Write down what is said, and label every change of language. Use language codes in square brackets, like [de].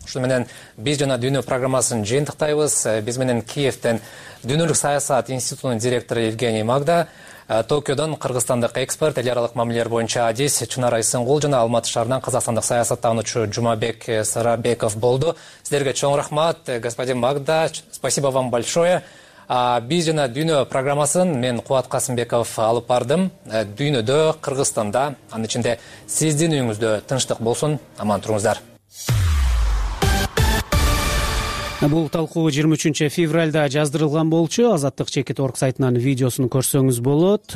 [ky] Ушул менен биз жана дүйнө программасын жыйынтыктайбыз. Биз менен Киевден дүйнөлүк саясат институтунун директору Евгений Магда, Токиодон кыргызстандык эксперт, эл аралык мамилелер боюнча адис Чынар Айсынгул жана Алматы шаарынан казакстандык саясаттануучу Жумабек Сарабеков болду. Сиздерге чоң рахмат, [ru] господин Магда, спасибо вам большое. [ky] Биз жана дүйнө программасын мен Кубат Касымбеков алып бардым. Дүйнөдө, Кыргызстанда, анын ичинде сиздин үйүңүздө тынчтык болсун, аман туруңуздар. Бул талкуу 23-февралда жаздырылган болчу. Азаттык чекит орг сайтынан видеосун көрсөңүз болот.